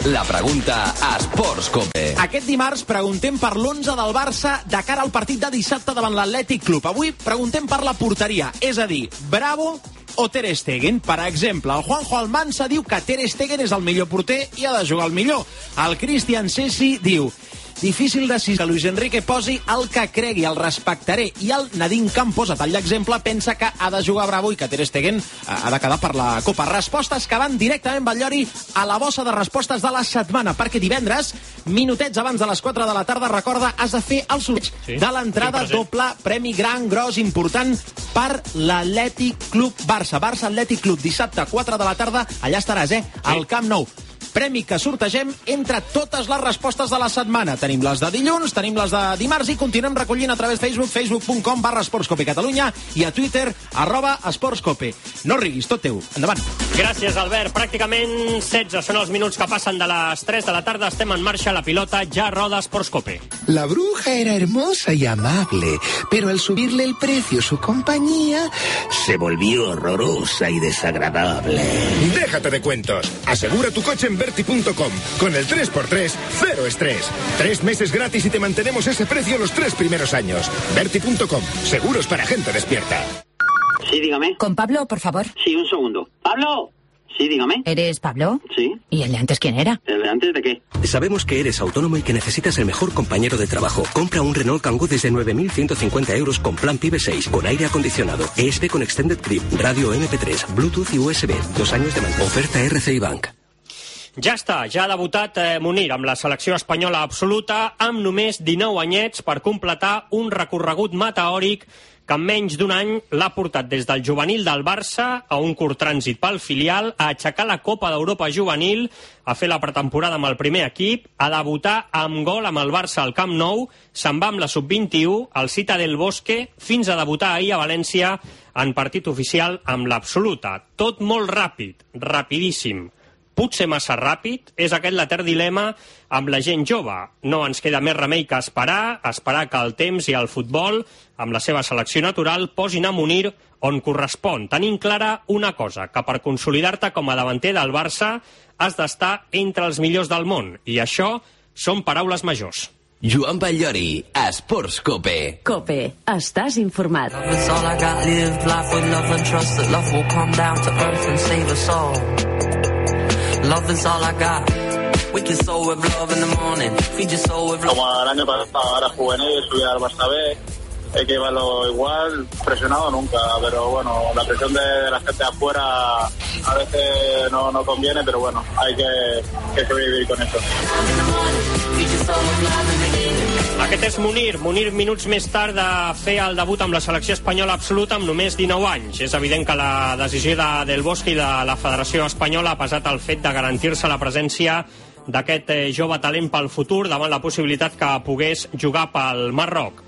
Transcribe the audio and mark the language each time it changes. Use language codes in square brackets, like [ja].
[ca] La pregunta a Esports COPE. Aquest dimarts preguntem per l'11 del Barça de cara al partit de dissabte davant l'Atlètic Club. Avui preguntem per la porteria, és a dir, Bravo o Ter Stegen. Per exemple, el Juanjo Almansa diu que Ter Stegen és el millor porter i ha de jugar el millor. El Christian Sessi diu: difícil decidir, que Luis Enrique posi el que cregui, el respectaré. I el Nadine Campos, a tall d'exemple, pensa que ha de jugar Bravo i que Ter Stegen ha de quedar per la Copa. Respostes que van directament, Batllori, a la bossa de respostes de la setmana, perquè divendres, minutets abans de les 4 de la tarda, recorda, has de fer el sorteig de l'entrada doble, premi gran, gros, important, per l'Atlètic Club Barça. Barça Atlètic Club, dissabte, 4 de la tarda, allà estaràs, al Camp Nou. Premi que sortegem entre totes les respostes de la setmana. Tenim les de dilluns, tenim les de dimarts i continuem recollint a través de Facebook, facebook.com/EsportsCopeCatalunya i a Twitter, @EsportsCope. No riguis, tot teu. Endavant. Gràcies, Albert. Pràcticament 16 són els minuts que passen de les 3 de la tarda. Estem en marxa, la pilota ja roda, EsportsCope. [es] La bruja era hermosa y amable, pero al subirle el precio su compañía se volvió horrorosa y desagradable. Déjate de cuentos. Asegura tu coche en Verti.com. Con el 3x3, cero estrés. 3 meses gratis y te mantenemos ese precio los 3 primeros años. Verti.com. Seguros para gente despierta. Sí, dígame. ¿Con Pablo, por favor? Sí, un segundo. ¡Pablo! Sí, dígame. ¿Eres Pablo? Sí. ¿Y el de antes quién era? ¿El de antes de qué? Sabemos que eres autónomo y que necesitas el mejor compañero de trabajo. Compra un Renault Kangoo desde 9.150 euros con plan PIB 6, con aire acondicionado, ESP con Extended Grip, radio MP3, Bluetooth y USB, 2 años de mantenimiento. Oferta RCI Bank. [ca] Ja està, ja ha debutat Munir amb la selecció espanyola absoluta, amb només 19 anyets per completar un recorregut meteòric que en menys d'un any l'ha portat des del juvenil del Barça a un curt trànsit pel filial, a aixecar la Copa d'Europa juvenil, a fer la pretemporada amb el primer equip, a debutar amb gol amb el Barça al Camp Nou, se'n va amb la sub-21, al Cita del Bosque, fins a debutar ahir a València en partit oficial amb l'absoluta. Tot molt ràpid, rapidíssim. Potser massa ràpid, és aquest l'etern dilema amb la gent jove. No ens queda més remei que esperar que el temps i el futbol, amb la seva selecció natural, posin a Munir on correspon. Tenim clara una cosa, que per consolidar-te com a davanter del Barça has d'estar entre els millors del món, i això són paraules majors. Joan Batllori, Esports COPE. COPE, estàs informat. [en] Love is all I got, live life with love and trust that love will come down to earth and save us all. Love is all I got. We can soul with love in the morning. Feed your soul with love. [ca] Com l'any passat, ara juvenil, estudiar el Barça B. [es] hay que llevarlo igual, presionado nunca, pero bueno, la presión de la gente afuera a veces no conviene, pero bueno, hay que sobrevivir con eso. [ca] Aquest és Munir. Munir, minuts més tard de fer el debut amb la selecció espanyola absoluta amb només 19 anys. És evident que la decisió de Del Bosque i de la Federació Espanyola ha pesat el fet de garantir-se la presència d'aquest jove talent pel futur davant la possibilitat que pogués jugar pel Marroc.